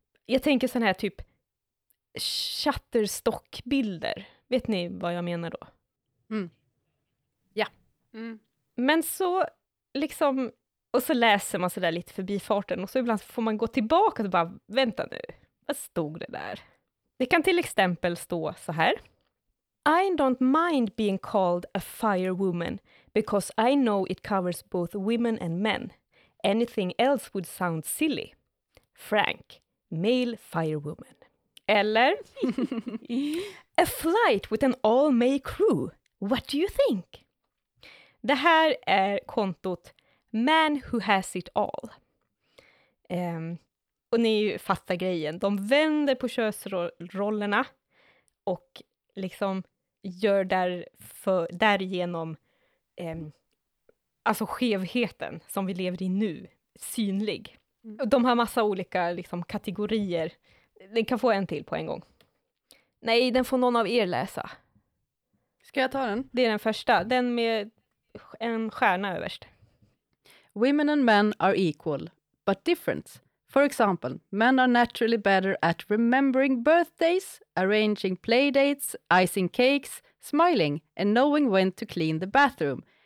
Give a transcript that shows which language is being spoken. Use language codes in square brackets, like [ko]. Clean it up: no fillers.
[sv] Jag tänker sån här typ Shutterstock-bilder. Vet ni vad jag menar då? Men så liksom, och så läser man så där lite förbi farten och så ibland får man gå tillbaka och bara, vänta nu, vad stod det där? Det kan till exempel stå så här: [en] I don't mind being called a firewoman because I know it covers both women and men. Anything else would sound silly. Frank, male firewoman. [sv] Eller [en] a flight with an all-male crew. What do you think? [sv] Det här är kontot Man Who Has It All. Och ni fattar grejen. De vänder på könsrollerna och liksom gör därigenom alltså skevheten som vi lever i nu synlig. De har massa olika liksom kategorier. Den kan få en till på en gång. Nej, den får någon av er läsa. Ska jag ta den? Det är den första. Den med en stjärna överst. [en] Women and men are equal, but different. For example, men are naturally better at remembering birthdays, arranging playdates, icing cakes, smiling, and knowing when to clean the bathroom.